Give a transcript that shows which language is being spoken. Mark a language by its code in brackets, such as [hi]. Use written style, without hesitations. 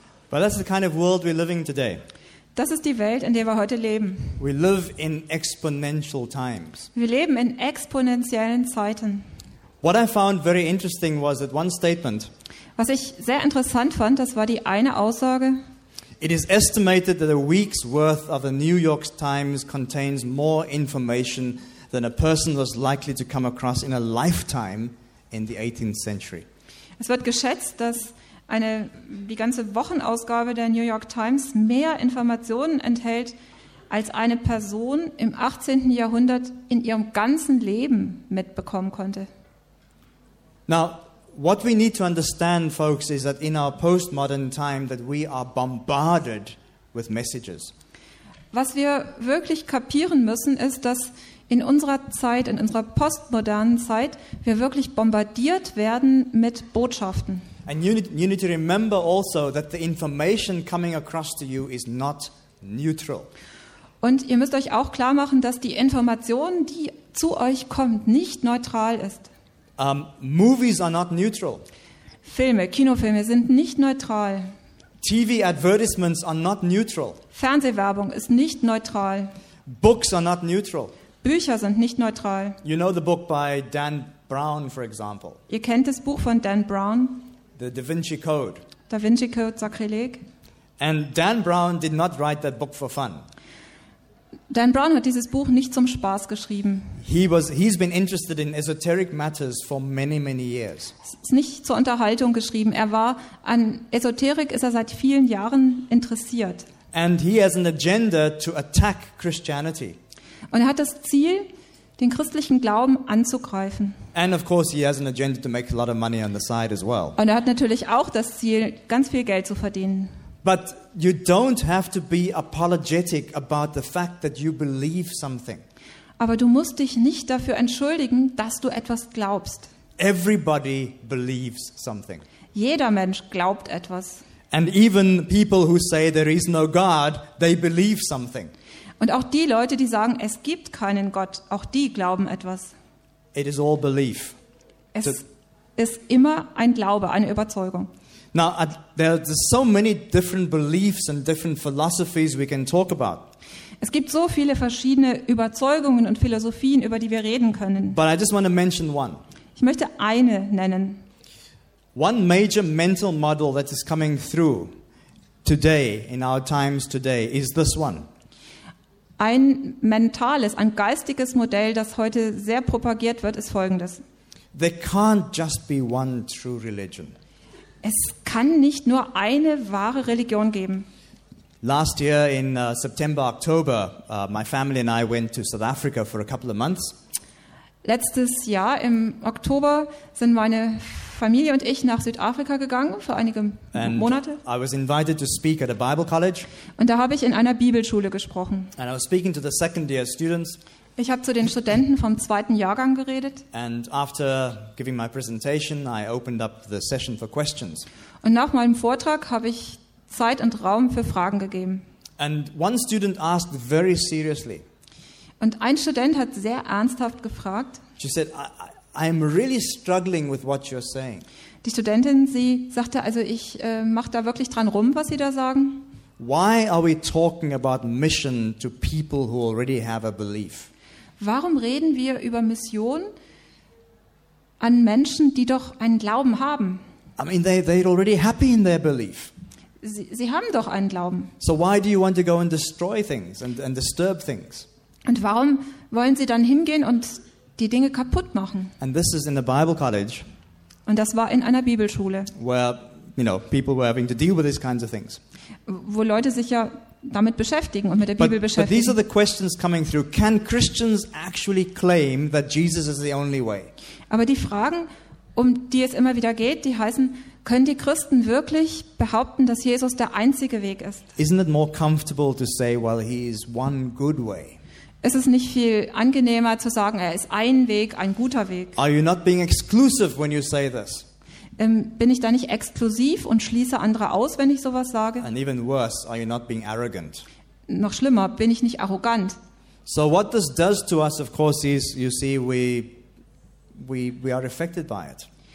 [en] But that's the kind of world we're living today. [de] Das ist die Welt, in der wir heute leben. [en] We live in exponential times. [de] Wir leben in exponentiellen Zeiten. [en] What I found very interesting was that one statement. [de] Was ich sehr interessant fand, das war die eine Aussage. [en] It is estimated that a week's worth of the New York Times contains more information than a person was likely to come across in a lifetime in the 18th century. [de] Es wird geschätzt, dass die ganze Wochenausgabe der New York Times mehr Informationen enthält, als eine Person im 18. Jahrhundert in ihrem ganzen Leben mitbekommen konnte. [en] Now, what we need to understand, folks, is that in our postmodern time that we are bombarded with messages. [de] Was wir wirklich kapieren müssen, ist, dass in unserer Zeit, in unserer postmodernen Zeit, wir wirklich bombardiert werden mit Botschaften. [en] And you need to remember also that the information coming across to you is not neutral. [de] Und ihr müsst euch auch klar machen, dass die Information, die zu euch kommt, nicht neutral ist. [en] Movies are not neutral. [de] Filme, Kinofilme sind nicht neutral. [en] TV advertisements are not neutral. [de] Fernsehwerbung ist nicht neutral. [en] Books are not neutral. [de] Bücher sind nicht neutral. [en] You know the book by Dan Brown, for example. [de] Ihr kennt das Buch von Dan Brown. [en] The Da Vinci Code. [de] Da Vinci Code, Sakrileg. [en] And Dan Brown did not write that book for fun. [de] Dan Brown hat dieses Buch nicht zum Spaß geschrieben. [en] He's been interested in esoteric matters for many, many years. [de] Es ist nicht zur Unterhaltung geschrieben. Er war an Esoterik ist er seit vielen Jahren interessiert. [en] And he has an agenda to attack Christianity. [de] Und er hat das Ziel, den christlichen Glauben anzugreifen. [en] And of course he has an agenda to make a lot of money on the side as well. [de] Und er hat natürlich auch das Ziel, ganz viel Geld zu verdienen. [en] But you don't have to be apologetic about the fact that you believe something. [de] Aber du musst dich nicht dafür entschuldigen, dass du etwas glaubst. [en] Everybody believes something. [de] Jeder Mensch glaubt etwas. [en] And even people who say there is no God, they believe something. [de] Und auch die Leute, die sagen, es gibt keinen Gott, auch die glauben etwas. [en] It is all belief. [de] Es ist immer ein Glaube, eine Überzeugung. [en] Now, there are so many different beliefs and different philosophies we can talk about. [de] Es gibt so viele verschiedene Überzeugungen und Philosophien, über die wir reden können. [en] But I just want to mention one. [de] Ich möchte eine nennen. [en] One major mental model that is coming through today, in our times today, is this one. [de] Ein mentales, ein geistiges Modell, das heute sehr propagiert wird, ist folgendes. [en] There can't just be one true religion. [de] Es kann nicht nur eine wahre Religion geben. [en] Last year in September, October, my family and I went to South Africa for a couple of months. [de] Letztes Jahr im Oktober sind meine Familie und ich nach Südafrika gegangen für einige Monate. [en] I was invited to speak at a Bible college. [de] Und da habe ich in einer Bibelschule gesprochen. [en] And I was speaking to the second year students. [de] Ich habe zu den Studenten vom zweiten Jahrgang geredet. [en] And after giving my presentation, I opened up the session for questions. [de] Und nach meinem Vortrag habe ich Zeit und Raum für Fragen gegeben. [en] And one student asked very seriously. [de] Und ein Student hat sehr ernsthaft gefragt. [en] She said, I'm really struggling with what you're saying. [de] Die Studentin, sie sagte, also ich mache da wirklich dran rum, was Sie da sagen. [en] Why are we talking about mission to people who already have a belief? [de] Warum reden wir über Mission an Menschen, die doch einen Glauben haben? [en] I mean, they're already happy in their belief. [de] Sie haben doch einen Glauben. [en] So why do you want to go and destroy things and disturb things? [de] Und warum wollen Sie dann hingehen und die Dinge kaputt machen? [en] And this is in a Bible college. [de] Und das war in einer Bibelschule. [en] Where, you know, people were having to deal with these kinds of things. [de] Wo Leute sich ja damit beschäftigen und mit der Bibel beschäftigen. [en] But these are the questions coming through. Can Christians actually claim that Jesus is the only way? [de] Aber die Fragen, um die es immer wieder geht, die heißen: Können die Christen wirklich behaupten, dass Jesus der einzige Weg ist? [en] Isn't it more comfortable to say, well, he is one good way? [de] Ist es nicht viel angenehmer zu sagen, er ist ein Weg, ein guter Weg? [en] Are you not being exclusive when you say this? [de] Bin ich da nicht exklusiv und schließe andere aus, wenn ich sowas sage? [en] And even worse, are you not being arrogant? [de] Noch schlimmer, bin ich nicht arrogant? [en] So what this does to us, of course, is, you see, we are affected by it.